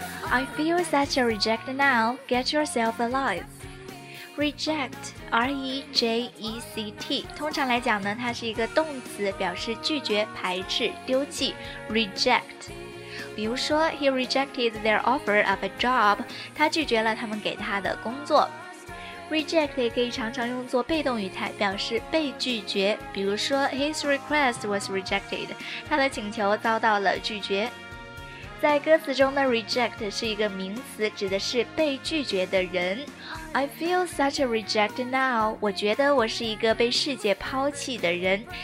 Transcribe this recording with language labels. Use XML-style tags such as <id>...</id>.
<en>I feel such a reject now, get yourself alive.</en> <zh>Reject, R-E-J-E-C-T， 通常来讲呢，它是一个动词，表示拒绝、排斥、丢弃。 Reject，比如说</zh> <en>He rejected their offer of a job，</en> <zh>他拒绝了他们给他的工作。 Reject 也可以常常用作被动语态，表示被拒绝，比如说</zh> <en>His request was rejected，</en> <zh>他的请求遭到了拒绝。在歌词中的 reject 是一个名词，指的是被拒绝的人。</zh> <en>I feel such a reject now，</en> <zh>我觉得我是一个被世界抛弃的人。</zh>